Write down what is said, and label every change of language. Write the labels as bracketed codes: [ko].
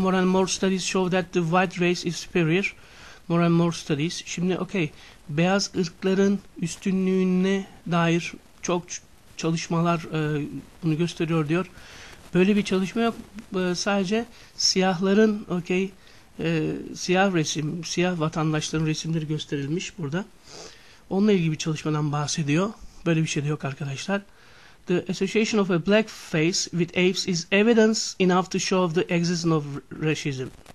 [en] More and more studies show that the white race is superior. More and more studies. [tr] Şimdi beyaz ırkların üstünlüğüne dair çok çalışmalar bunu gösteriyor diyor. Böyle bir çalışma yok. Sadece siyah resim, siyah vatandaşların resimleri gösterilmiş burada. Onunla ilgili bir çalışmadan bahsediyor. Böyle bir şey de yok arkadaşlar. [en] The association of a black face with apes is evidence enough to show the existence of racism.